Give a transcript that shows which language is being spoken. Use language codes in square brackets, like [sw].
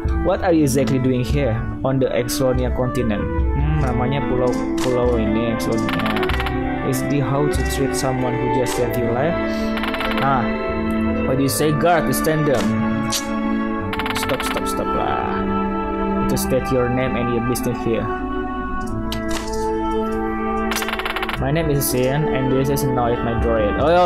[en] What are you exactly doing here on the Exonia continent? [id] Namanya pulau-pulau ini Exonia. [en] Is the how to treat someone who just saved your life? Nah, what do you say, guard? Stand them. Stop lah. Just state your name and your business here. My name is Sin and this is Noid my droid.